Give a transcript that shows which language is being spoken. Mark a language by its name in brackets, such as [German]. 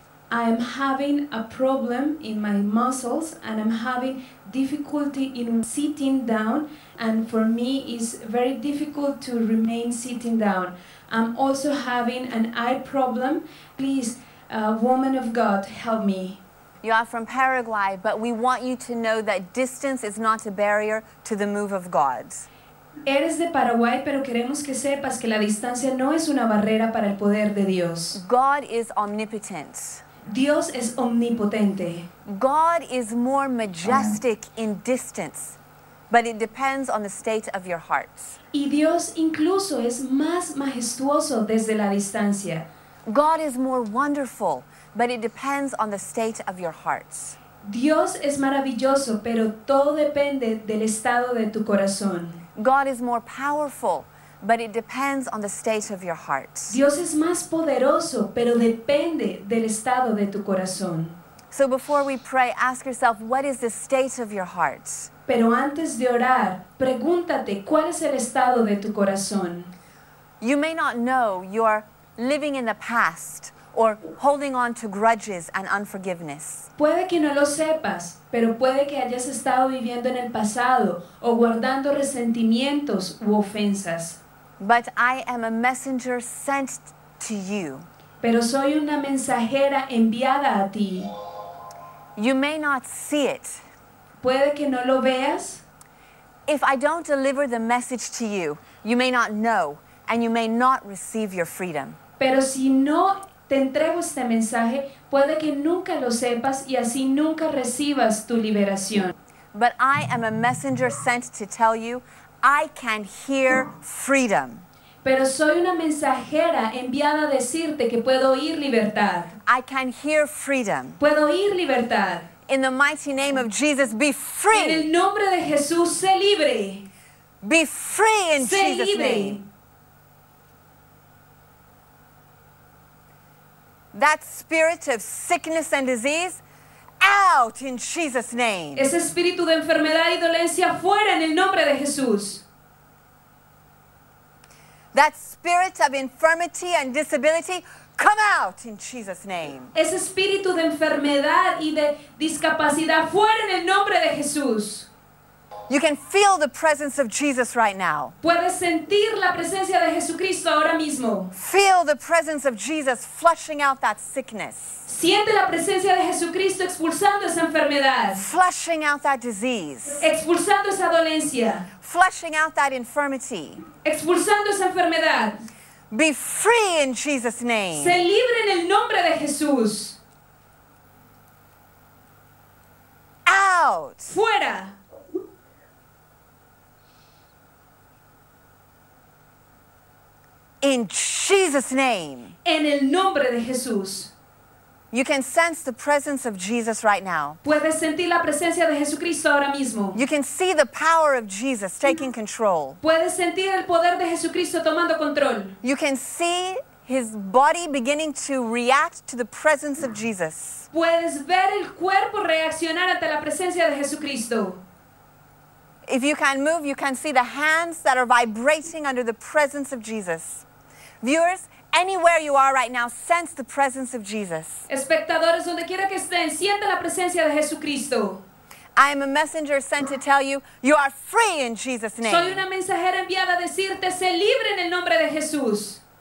[English] I am having a problem in my muscles and I'm having difficulty in sitting down, and for me it's very difficult to remain sitting down. I'm also having an eye problem. Please, woman of God, help me. You are from Paraguay, but we want you to know that distance is not a barrier to the move of God. [Spanish] Eres de Paraguay, pero queremos que sepas que la distancia no es una barrera para el poder de Dios. [English] God is omnipotent. [Spanish] Dios es omnipotente. [English] God is more majestic in distance, but it depends on the state of your heart. [Spanish] Y Dios incluso es más majestuoso desde la distancia. [English] God is more wonderful, but it depends on the state of your hearts. [Spanish] Dios es maravilloso, pero todo depende del estado de tu corazón. [English] God is more powerful, but it depends on the state of your heart. [Spanish] Dios es más poderoso, pero depende del estado de tu corazón. [English] So before we pray, ask yourself, what is the state of your heart? [Spanish] Pero antes de orar, pregúntate, ¿cuál es el estado de tu corazón? [English] You may not know you are living in the past or holding on to grudges and unforgiveness. [Spanish] Puede que no lo sepas, pero puede que hayas estado viviendo en el pasado o guardando resentimientos u ofensas. [English] But I am a messenger sent to you. [Spanish] Pero soy una mensajera enviada a ti. [English] You may not see it. [Spanish] Puede que no lo veas. [English] If I don't deliver the message to you, you may not know, and you may not receive your freedom. [Spanish] Pero si no te entrego este mensaje, puede que nunca lo sepas y así nunca recibas tu liberación. [English] But I am a messenger sent to tell you, I can hear freedom. [Spanish] Pero soy una mensajera enviada a decirte que puedo oír libertad. [English] I can hear freedom. [Spanish] Puedo oír libertad. [English] In the mighty name of Jesus, be free. [Spanish] En el nombre de Jesús, sé libre. [English] Be free in Jesus' name. [Spanish] Sé libre. [English] That spirit of sickness and disease, out in Jesus' name. [Spanish] Ese espíritu de enfermedad y dolencia, fuera en el nombre de Jesús. [English] That spirit of infirmity and disability, come out in Jesus' name. [Spanish] Ese espíritu de enfermedad y de discapacidad, fuera en el nombre de Jesús. [English] You can feel the presence of Jesus right now. [Spanish] Puedes sentir la presencia de Jesucristo ahora mismo. [English] Feel the presence of Jesus flushing out that sickness. [Spanish] Siente la presencia de Jesucristo expulsando esa enfermedad. [English] Flushing out that disease. [Spanish] Expulsando esa dolencia. [English] Flushing out that infirmity. [Spanish] Expulsando esa enfermedad. [English] Be free in Jesus' name. [Spanish] Sé libre en el nombre de Jesús. [English] Out. [Spanish] Fuera. [English] In Jesus' name. [Spanish] En el nombre de Jesús. [English] You can sense the presence of Jesus right now. [Spanish] Puedes sentir la presencia de Jesucristo ahora mismo. [English] You can see the power of Jesus taking control. [Spanish] Puedes sentir el poder de Jesucristo tomando control. [English] You can see his body beginning to react to the presence of Jesus. [Spanish] Puedes ver el cuerpo reaccionar ante la presencia de Jesucristo. [English] If you can move, you can see the hands that are vibrating under the presence of Jesus. Viewers, anywhere you are right now, sense the presence of Jesus. [Spanish] Espectadores, donde quiera que estén, sienta la presencia de Jesucristo. [English] I am a messenger sent to tell you, you are free in Jesus' name. [Spanish] Soy una mensajera enviada a decirte, sé libre en el nombre de Jesús.